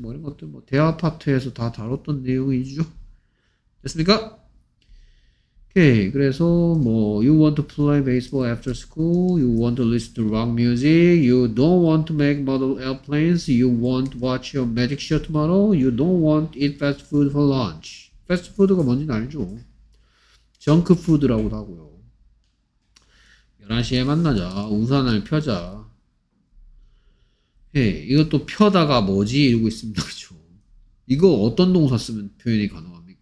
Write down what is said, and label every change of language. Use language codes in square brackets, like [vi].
[ko] 뭐, 이런 것들, 뭐, 대화 파트에서 다 다뤘던 내용이죠. 됐습니까? 오케이. 그래서 뭐 [en] you want to play baseball after school, you want to listen to rock music, you don't want to make model airplanes, you want to watch your magic show tomorrow, you don't want to eat fast food for lunch. [ko] Fast food가 뭔지는 알죠? 정크 푸드라고도 하고요. 11시에 만나자. 우산을 펴자. 헤이, 이것도 펴다가 뭐지? 이러고 있습니다. 그렇죠? 이거 어떤 동사 쓰면 표현이 가능?